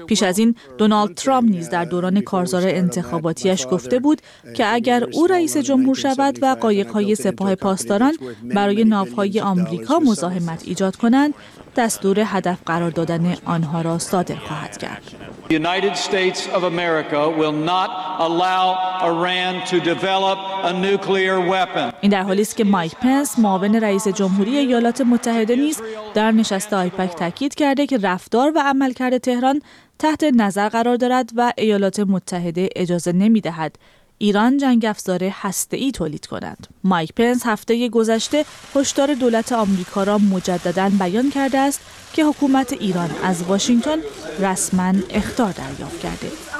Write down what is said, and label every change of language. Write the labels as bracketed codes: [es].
[fa] پیش از این دونالد ترامپ نیز در دوران کارزار انتخاباتیش گفته بود که اگر او رئیس جمهور شود و قایق‌های سپاه پاسداران برای ناوهای آمریکا مزاحمت ایجاد کنند، دستور هدف قرار دادن آنها را صادر خواهد کرد. [en] The United States of America will not allow Iran to develop a nuclear weapon. [fa] این در حالی است که مایک پنس، معاون رئیس جمهوری ایالات متحده نیز در نشست آیپک تاکید کرده که رفتار و عملکرد تهران تحت نظر قرار دارد و ایالات متحده اجازه نمی‌دهد ایران جنگ افزار هسته‌ای تولید کنند. مایک پنس هفته گذشته هشدار دولت آمریکا را مجدداً بیان کرده است که حکومت ایران از واشنگتن رسماً اخطار دریافت کرده.